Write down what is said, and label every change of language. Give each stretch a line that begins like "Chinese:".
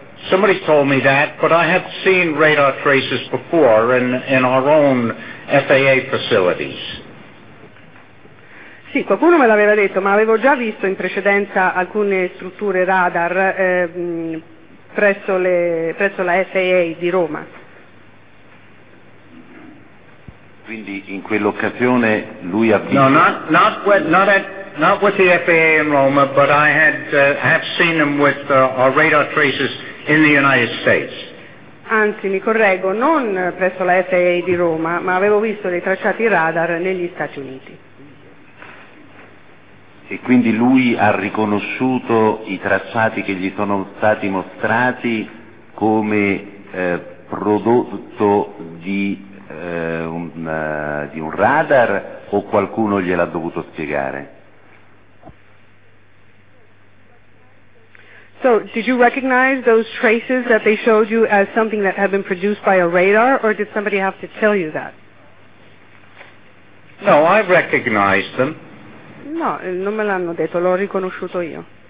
English: Somebody told me that, but I have seen radar traces before in our own FAA facilities.
Italian: Sì, qualcuno me l'aveva detto, ma avevo già visto in precedenza alcune strutture radar presso la FAA di Roma. Quindi in quell'occasione lui ha visto.
English: No, not with the FAA in Roma, but I have seen them with our radar traces in the United States.
Italian: Anzi, mi correggo, non presso la FAA di Roma, ma avevo visto dei tracciati radar negli Stati Uniti. E quindi lui ha riconosciuto i tracciati che gli sono stati mostrati come prodotto di un radar, o qualcuno gliel'ha dovuto spiegare?
English: So, did you recognize those traces that they showed you as something that had been produced by a radar, or did somebody have to tell you that? No, I recognized them.
Italian: No, non me l'hanno detto, l'ho riconosciuto io.